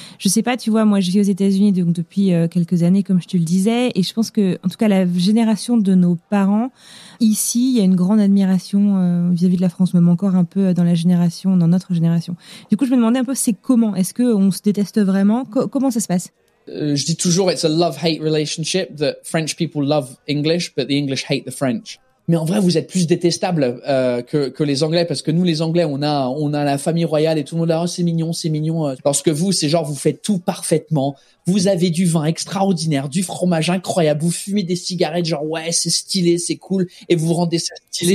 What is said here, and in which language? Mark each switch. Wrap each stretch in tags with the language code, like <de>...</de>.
<fr>Je sais pas, tu vois, moi je vis aux États-Unis donc depuis quelques années, comme je te le disais, et je pense que, en tout cas, la génération de nos parents, ici, il y a une grande admiration vis-à-vis de la France, même encore un peu dans notre génération. Du coup, je me demandais un peu, c'est comment? Est-ce qu'on se déteste vraiment? Comment ça se passe? Je dis toujours,</fr> <en>it's a love-hate relationship, that French people love English, but the English hate the French.</en> <fr>Mais en vrai, vous êtes plus détestables que les Anglais, parce que nous, les Anglais, on a la famille royale et tout le monde là, oh, c'est mignon. Lorsque vous, c'est genre, vous faites tout parfaitement. Vous avez du vin extraordinaire, du fromage incroyable. Vous fumez des cigarettes, genre, ouais, c'est stylé, c'est cool. Et vous rendez ça stylé.</fr>